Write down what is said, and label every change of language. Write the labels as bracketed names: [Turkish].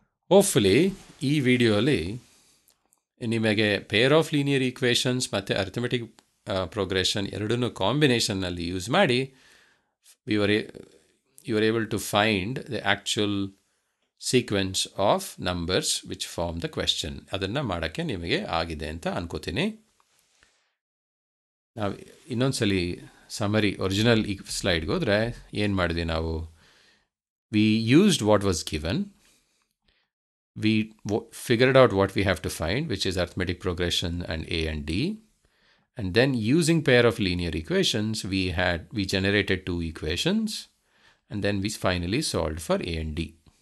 [English] Hopefully, this video, you have a pair of linear equations and arithmetic progression, [Kannada] erduno combination nalli use maadi, [English] you are able to find the actual sequence of numbers which form the question. [Kannada] ಅದನ್ನು ಮಾಡೋಕ್ಕೆ ನಿಮಗೆ ಆಗಿದೆ ಅಂತ ಅನ್ಕೋತೀನಿ ನಾವು ಇನ್ನೊಂದ್ಸಲಿ summary original ಈ ಸ್ಲೈಡ್ಗೆ ಹೋದರೆ ಏನು ಮಾಡಿದ್ವಿ ನಾವು [English] We used what was given we figured out what we have to find, which is arithmetic progression and A and D. And then using pair of linear equations, we generated two equations, and then we finally solved for A and D.